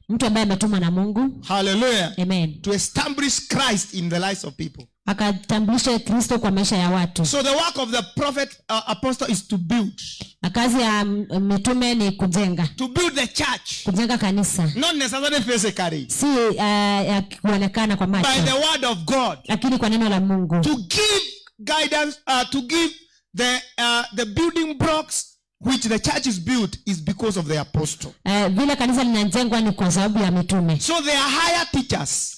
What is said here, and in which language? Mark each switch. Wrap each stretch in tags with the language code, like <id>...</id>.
<sw>Mtu ambaye ametumwa na Mungu. Hallelujah. Amen.</sw> <en>To establish Christ in the lives of people.</en> <sw>Akatambulisha Kristo kwa maisha ya watu.</sw> <en>So the work of the prophet apostle is to build.</en> <sw>Kazi ya mitume ni kujenga.</sw> <en>To build the church.</en> <sw>Kujenga kanisa.</sw> <en>Not necessarily physically.</en> <sw>Si ya kuonekana kwa macho.</sw> <en>By the word of God.</en> <sw>Lakini kwa neno la Mungu.</sw> <en>To give guidance to give the building blocks which the church is built is because of the apostle.</en> <sw>Vile kanisa linajengwa ni kwa sababu ya mitume.</sw> <en>So they are higher teachers.</en>